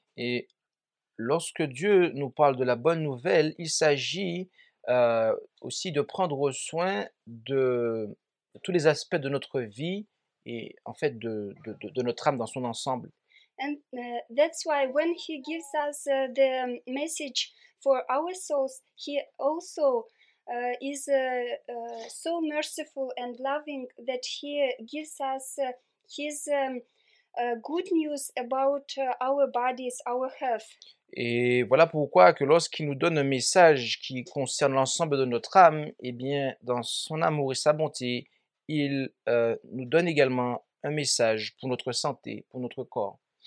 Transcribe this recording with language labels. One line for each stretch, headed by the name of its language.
French: Et lorsque Dieu nous parle de la bonne nouvelle, il s'agit aussi de prendre soin de tous les aspects de notre vie et en fait de notre âme dans son ensemble.
English: And that's why when He gives us the message for our souls, He also is so merciful and loving that He gives us His good news about our bodies, our health.
French: Et voilà pourquoi que lorsqu'il nous donne un message qui concerne l'ensemble de notre âme, eh bien, dans son amour et sa bonté, il nous donne également un message pour notre santé, pour notre corps.